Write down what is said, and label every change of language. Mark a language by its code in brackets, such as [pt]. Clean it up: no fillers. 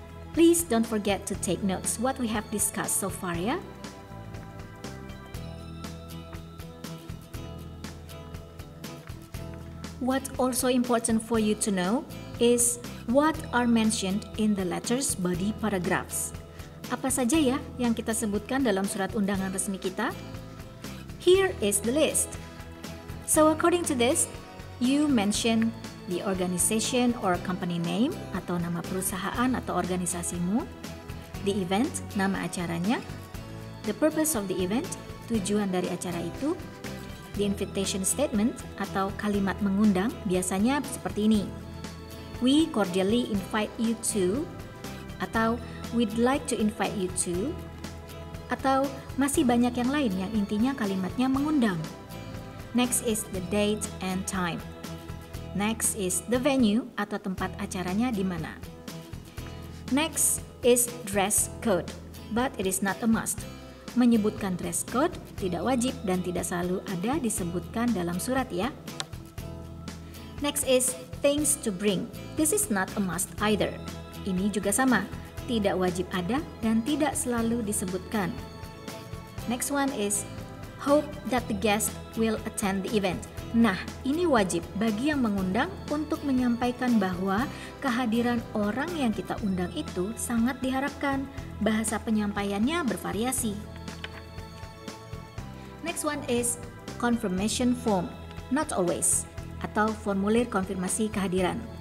[en] Please don't forget to take notes what we have discussed so far, yeah? What's also important for you to know is what are mentioned in the letter's body paragraphs. [id] Apa saja ya yang kita sebutkan dalam surat undangan resmi kita? [en] Here is the list. So according to this, you mention the organization or company name [id] atau nama perusahaan atau organisasimu, [en] the event, [id] nama acaranya, [en] the purpose of the event, [id] tujuan dari acara itu, [en] the invitation statement [id] atau kalimat mengundang biasanya seperti ini. [en] We cordially invite you to, atau we'd like to invite you to, [id] atau masih banyak yang lain yang intinya kalimatnya mengundang. [en] Next is the date and time. Next is the venue [id] atau tempat acaranya di mana. [en] Next is dress code, but it is not a must. [id] Menyebutkan [en] dress code [id] tidak wajib dan tidak selalu ada disebutkan dalam surat ya. [en] Next is things to bring. This is not a must either. [id] Ini juga sama, tidak wajib ada dan tidak selalu disebutkan. [en] Next one is hope that the guest will attend the event. [id] Nah, ini wajib bagi yang mengundang untuk menyampaikan bahwa kehadiran orang yang kita undang itu sangat diharapkan. Bahasa penyampaiannya bervariasi. [en] Next one is confirmation form, not always, [id] atau formulir konfirmasi kehadiran.